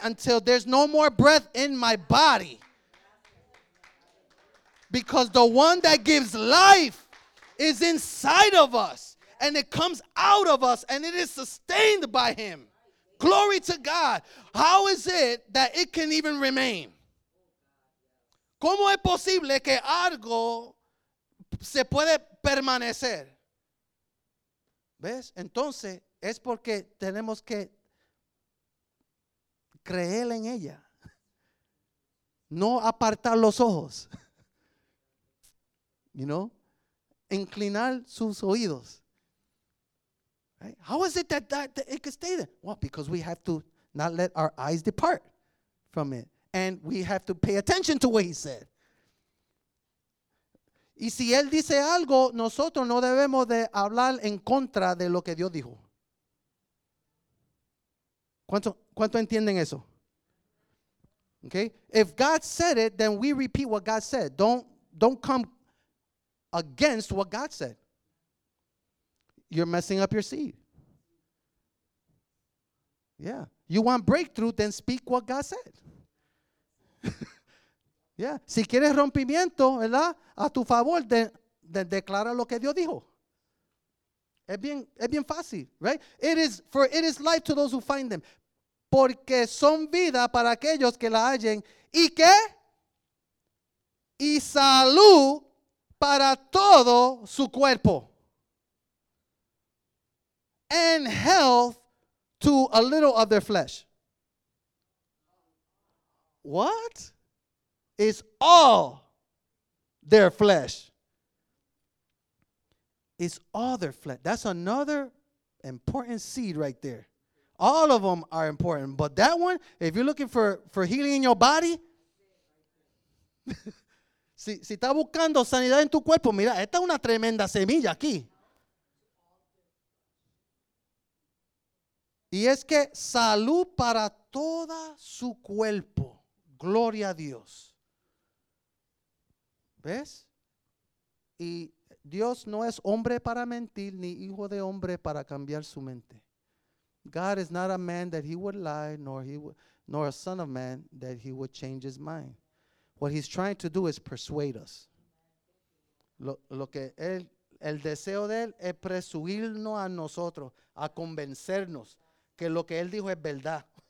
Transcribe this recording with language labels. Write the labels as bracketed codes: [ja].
[en] Until there's no more breath in my body. Because the one that gives life is inside of us. And it comes out of us and it is sustained by him. Glory to God. How is it that it can even remain? [es] ¿Cómo es posible que algo se puede permanecer? ¿Ves? Entonces, es porque tenemos que creer en ella. No apartar los ojos. [en] You know? [es] Inclinar sus oídos. [en] Right? How is it that it can stay there? Well, because we have to not let our eyes depart from it. And we have to pay attention to what he said. [es] Y si él dice algo, nosotros no debemos de hablar en contra de lo que Dios dijo. ¿Cuánto entienden eso? Okay? [en] If God said it, then we repeat what God said. Don't come against what God said. You're messing up your seed. Yeah. You want breakthrough, then speak what God said. Yeah. [es] Si quieres rompimiento, ¿verdad? A tu favor, then declara lo que Dios dijo. Es bien fácil, right? [en] It is life to those who find them. [es] Porque son vida para aquellos que la hallen. ¿Y qué? Y salud para todo su cuerpo. [en] And health to a little of their flesh. What? Is all their flesh. It's all their flesh. That's another important seed right there. All of them are important. But that one, if you're looking for healing in your body, [es] si está buscando sanidad en tu cuerpo, mira, esta es una tremenda semilla aquí. Y es que salud para todo su cuerpo. Gloria a Dios. ¿Ves? Y Dios no es hombre para mentir, ni hijo de hombre para cambiar su mente. [en] God is not a man that he would lie, nor a son of man that he would change his mind. What he's trying to do is persuade us. [es] Lo que el deseo de él es persuadirnos a nosotros, a convencernos que lo que él dijo es verdad.